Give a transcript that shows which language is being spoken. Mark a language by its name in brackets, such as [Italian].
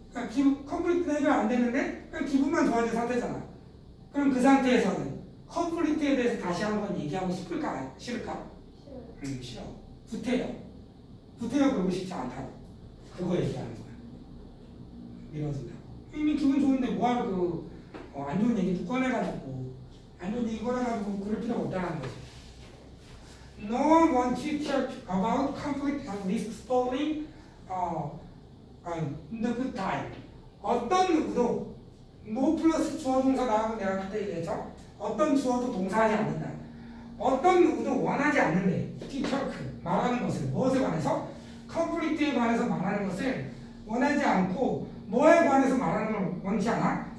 [Korean] 그러니까 컴플리트가 해결 안 됐는데 그냥 기분만 좋아진 상태잖아 그럼 그 상태에서는 컴플리트에 대해서 다시 한번 얘기하고 싶을까? 싫을까? 싫어 싫어 부태여 부태여 그러고 싶지 않다고 그거 얘기하는 거야 미뤄진다고 이미 기분 좋은데 뭐하러 그 안 좋은 얘기 꺼내가지고 아니면 이거라고 그럴 필요가 없다는 거지. [English] No one wants to talk about conflict and risk spoiling the good time. [Korean] 어떤 누구도 no 플러스 주어 동사 나오면 내가 그때 얘기했죠. 어떤 주어도 동사하지 않는다. 어떤 누구도 원하지 않는데 [English] to talk [Korean] 말하는 것을 무엇에 관해서 conflict에 관해서 말하는 것을 원하지 않고 뭐에 관해서 말하는 걸 원치 않아?